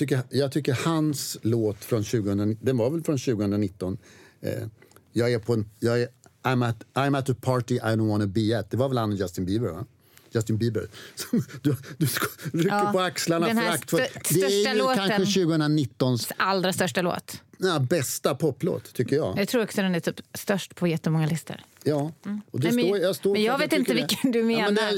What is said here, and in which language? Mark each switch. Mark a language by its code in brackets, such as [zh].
[sv] Jag tycker hans låt från 2019... Den var väl från 2019. [en] I'm at a party I don't want to be at. [sv] Det var väl han och Justin Bieber, va? Justin Bieber. Du rycker på axlarna frakt. Det är kanske 2019s... allra största låt. Ja, bästa poplåt, tycker jag. Jag tror också den är typ störst på jättemånga listor. Ja. Och det jag vet inte vilken du menar.